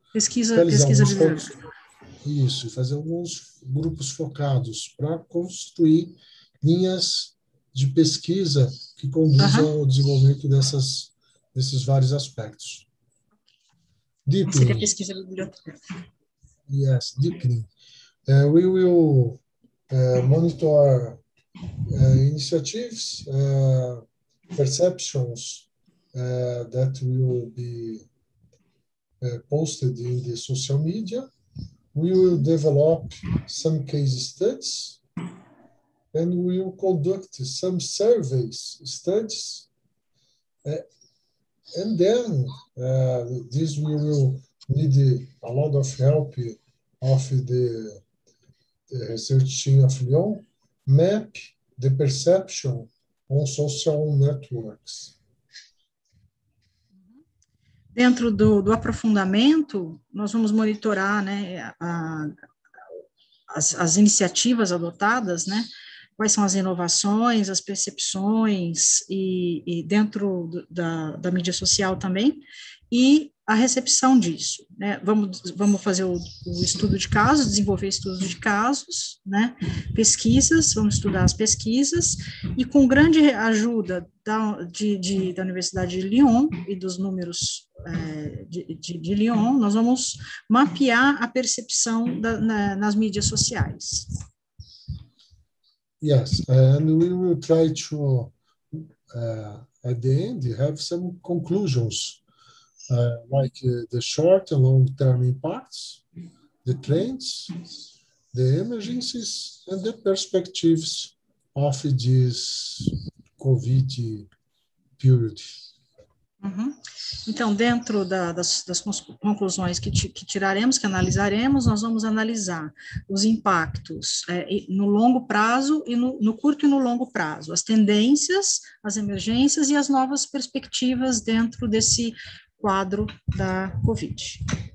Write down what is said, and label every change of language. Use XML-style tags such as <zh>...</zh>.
<pt>Pesquisa bibliográfica. Isso, e fazer alguns grupos focados para construir linhas de pesquisa que conduzam ao desenvolvimento desses vários aspectos. Seria pesquisa bibliográfica.</pt> <en>Yes, deepening. We will monitor initiatives, perceptions that will be posted in the social media. We will develop some case studies, and we will conduct some surveys studies. And then this will need a lot of help of the research team of Lyon, map the perception on social networks.</en> <pt>Dentro do aprofundamento, nós vamos monitorar, né, as iniciativas adotadas, né, quais são as inovações, as percepções, e dentro da mídia social também, e a recepção disso, né? Vamos fazer o estudo de casos, desenvolver estudos de casos, né? Pesquisas, vamos estudar as pesquisas, e com grande ajuda da Universidade de Lyon e dos números de Lyon, nós vamos mapear a percepção nas mídias sociais.</pt> <en>Yes, and we will try to at the end have some conclusions. The short and long-term impacts, the trends, the emergencies, and the perspectives of this COVID period.</en> <pt>Então, dentro das conclusões que tiraremos, que analisaremos, nós vamos analisar os impactos no longo prazo e no curto e no longo prazo, as tendências, as emergências e as novas perspectivas dentro desse quadro da COVID.</pt>